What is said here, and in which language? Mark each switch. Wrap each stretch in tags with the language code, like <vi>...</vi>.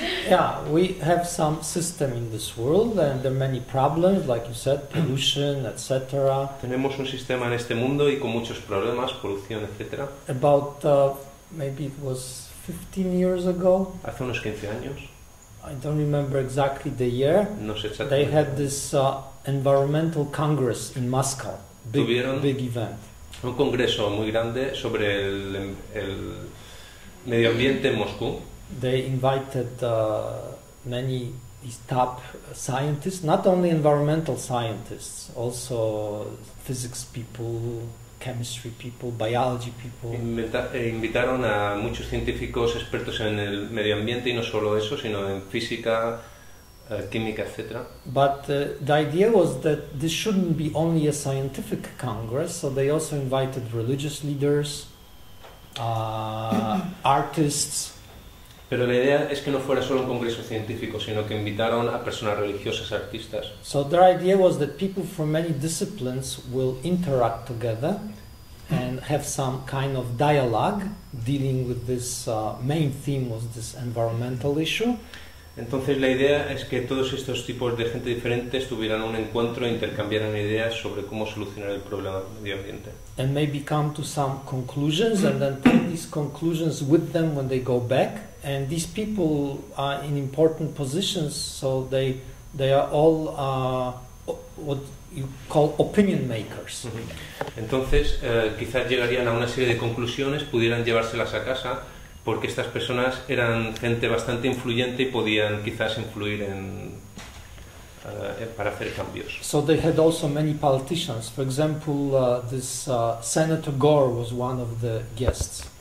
<en>Yeah, we have some system in this world, and there are many problems, like you said, pollution, etc.</en> <es>Tenemos un sistema en este mundo y con muchos problemas, polución, etc.</es> <en>About maybe it was 15 years ago.</en> <es>Hace unos 15 años.</es> <en>I don't remember exactly the year.</en> <es>No sé exactamente.</es> <en>They had this environmental congress in Moscow. Big event.</en> <es>Un congreso muy grande sobre el medio ambiente en Moscú.</es> <en>They invited many top scientists, not only environmental scientists, also physics people, chemistry people, biology people.</en> <es>Invitaron a muchos científicos expertos en el medio ambiente y no solo eso, sino en física, química, etc.</es> <en>But the idea was that this shouldn't be only a scientific congress, so they also invited religious leaders, artists.</en> <es>Pero la idea es que no fuera solo un congreso científico, sino que invitaron a personas religiosas, artistas.</es> <en>So their idea was that people from many disciplines will interact together and have some kind of dialogue dealing with this main theme was this environmental issue.</en> <es>Entonces la idea es que todos estos tipos de gente diferentes tuvieran un encuentro e intercambiaran ideas sobre cómo solucionar el problema del medio ambiente.</es> <en>And maybe come to some conclusions and then take these conclusions with them when they go back. And these people are in important positions, so they are all what you call opinion makers.</en> <es>Entonces, quizás llegarían a una serie de conclusiones, pudieran llevárselas a casa, porque estas personas eran gente bastante influyente y podían quizás influir en para hacer cambios.</es> <en>So they had also many politicians. For example, this Senator Gore was one of the guests.</en>